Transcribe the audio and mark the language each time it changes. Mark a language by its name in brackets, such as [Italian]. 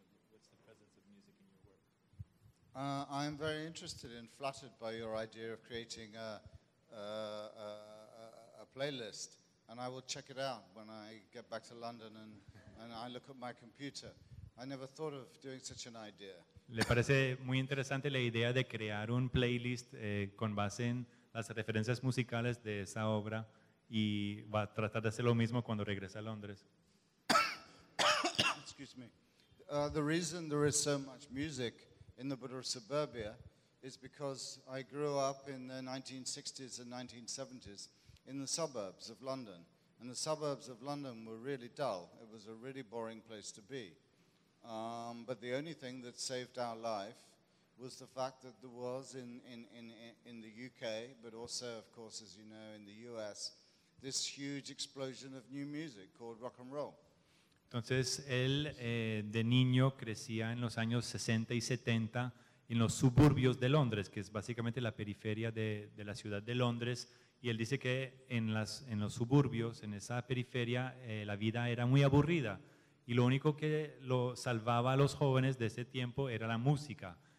[English] And what's the presence of music in your work? I'm very interested and flattered by your idea of creating a playlist. And I will check it out when I get back to London and I look at my computer. I never thought of doing such an idea. [Spanish] ¿Le parece muy interesante la idea de crear un playlist con base en las referencias musicales de esa obra, y va a tratar de hacer lo mismo cuando regrese a Londres? [English] Excuse me. The reason there is so much music in the Buddha of Suburbia is because I grew up in the 1960s and 1970s in the suburbs of London, and the suburbs of London were really dull. It was a really boring place to be. But the only thing that saved our life was the fact that there was in the UK, but also, of course, as you know, in the US, this huge explosion of new music called rock and roll. [Spanish] Entonces, él de niño crecía en los años 60 y 70 en los suburbios de Londres, que es básicamente la periferia de la ciudad de Londres, y él dice que en los suburbios, en esa periferia, la vida era muy aburrida, y lo único que lo salvaba a los jóvenes de ese tiempo era la música.